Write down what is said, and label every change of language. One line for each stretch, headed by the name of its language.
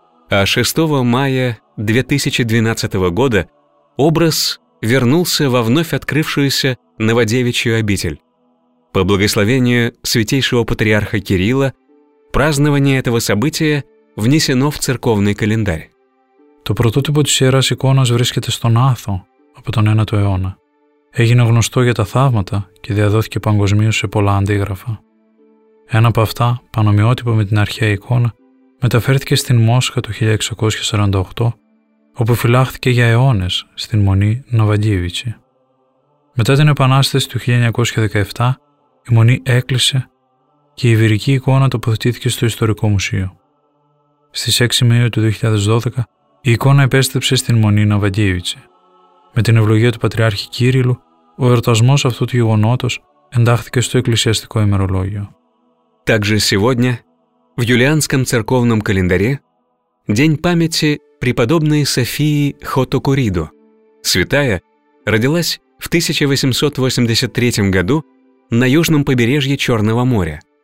Russian: А 6 мая 2012 года образ вернулся во вновь открывшуюся Новодевичью обитель. По благословению святейшего патриарха Кирилла празднование этого события внесено в церковный календарь.
Greek: Το πρωτότυπο της Ιεράς Εικόνας βρίσκεται στον Άθο από τον 9ο αιώνα. Έγινε γνωστό για τα θαύματα και διαδόθηκε παγκοσμίως σε πολλά αντίγραφα. Ένα από αυτά, πανομοιότυπο με την αρχαία εικόνα, μεταφέρθηκε στην Μόσχα το 1648, όπου φυλάχθηκε για αιώνες στην Μονή Νοβαντίβιτσι. Μετά την Επανάσταση του 1917, η Μονή έκλεισε και η Ιβυρική εικόνα τοποθετήθηκε στο Ιστορικό Μουσείο. Στις 6 Μαΐου του 2012, η εικόνα επέστρεψε στην Μονή Νοβαντίβιτσι. Με την ευλογία του Πατριάρχη Κύριλου, ο εορτασμός αυτού του γεγονότος εντάχθηκε στο εκκλησιαστικό ημερολόγιο.
Russian: Также сегодня, в юлианском церковном календаре, день памяти преподобной Софии Хотокуридо. Святая родилась в 1883 году на южном побережье Черного моря.